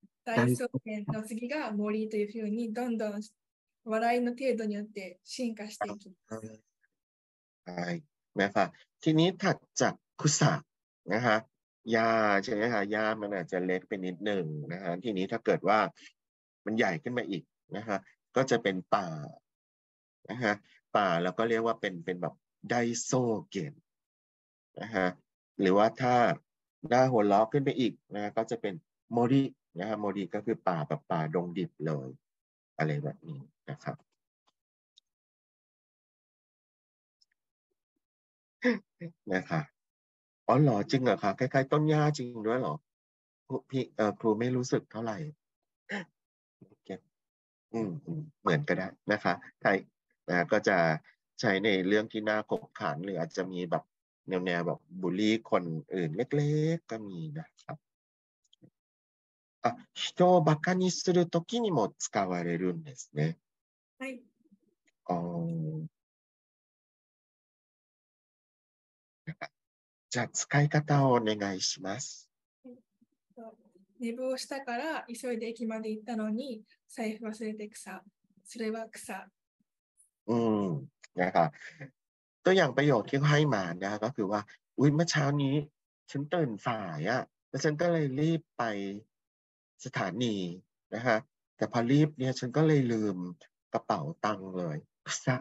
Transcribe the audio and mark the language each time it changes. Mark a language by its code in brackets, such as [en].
[ja] 大草原の次が森というふうに、どんどん笑いの程度によって進化していきます。はい、皆さん、気に立っちゃ草。 [th] なはยาใช่ไหมคะยามันอาจจะเล็กไปนิดหนึ่งนะฮะทีนี้ถ้าเกิดว่ามันใหญ่ขึ้นมาอีกนะฮะก็จะเป็นป่า นะฮะป่าเราก็เรียกว่าเป็นแบบไดโซเกนนะฮะหรือว่าถ้าหน้าหัวล้อขึ้นไปอีกนะฮะก็จะเป็นโมรินะฮะโมริก็คือป่าแบบป่าดงดิบเลยอะไรแบบนี้นะครับนะคะอ๋อหรอจริงเหรอคะคล้ายๆต้นหญ้าจริงด้วยหรอครูไม่รู้สึกเท่าไหร่ okay. เหมือนก็ได้นะคะใครนะก็จะใช้ในเรื่องที่น่าขบขันหรืออาจจะมีแบบแนวแบบบูลลี่คนอื่นเล็กๆก็มีนะครับอ่ะ [ja] 人をバカにする時にも使われるんですねはいじゃあ使い方をお願いします。寝坊したから急いで駅まで行ったのに財布忘れて草。それは草。 [th] นะคะตัวอย่างประโยคที่เขาให้มานะก็คือว่าอุ้ยเมื่อเช้านี้ฉันตื่นสายอ่ะแล้วฉันก็เลยรีบไปสถานีนะคะแต่พอรีบเนี่ยฉันก็เลยลืมกระเป๋าตังค์เลย草。